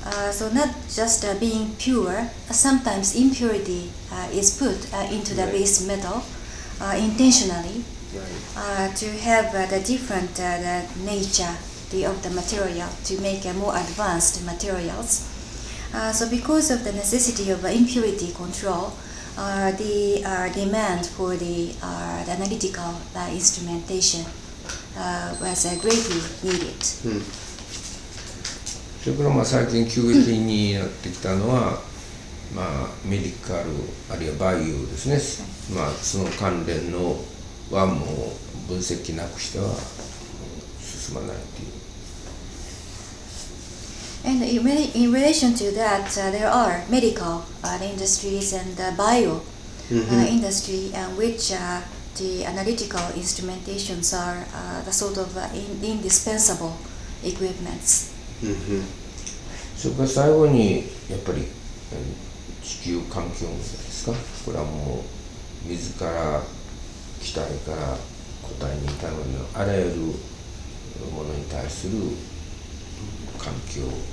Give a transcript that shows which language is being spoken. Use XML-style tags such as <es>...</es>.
<en>So not just being pure, sometimes impurity is put into the base metal intentionally to have the different the nature of the material to make more advanced materials. So because of the necessity of impurity control, the demand for the analytical instrumentation was greatly needed.</en> <ja>それからまあ最近急激にやってきたのは、まあメディカルあるいはバイオですね。まあその関連のはもう分析なくしては進まないという。</ja> <en>And in relation to that, there are medical industries and bio industry, which the analytical instrumentations are the sort of indispensable equipments.</en> <ja>そこが最後にやっぱり地球環境ですか。これはもう自ら気体から固体に至るのあらゆるものに対する環境</ja>